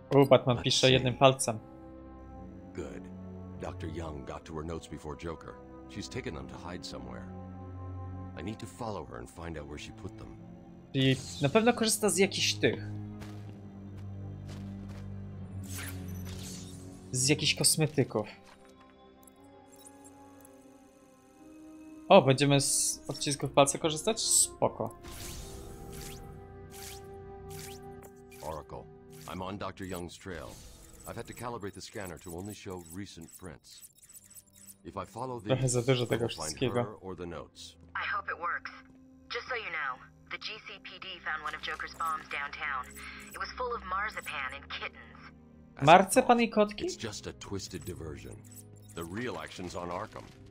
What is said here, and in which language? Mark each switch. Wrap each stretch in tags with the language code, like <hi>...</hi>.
<pl>Batman pisze jednym palcem.</pl> <en>Good. Dr. Young got to her notes before Joker. She's taken them to hide somewhere. I need to follow her and find out where she put them.</en> <pl>I na pewno korzysta z jakichś tych. Z jakichś kosmetyków. O, będziemy z odcisków palca korzystać? Spoko.</pl> <en>Oracle, I'm on Dr. Young's trail. I've had to calibrate the scanner to only show recent prints. If I follow these,</en> <pl>trochę za dużo tego wszystkiego.</pl> <en>I hope it works. Just so you know, the GCPD found one of Joker's bombs downtown. It was full of marzipan and kittens.</en> <pl>Marzipan i kotki?</pl> <en>It's just a twisted diversion. The real action's on Arkham.</en>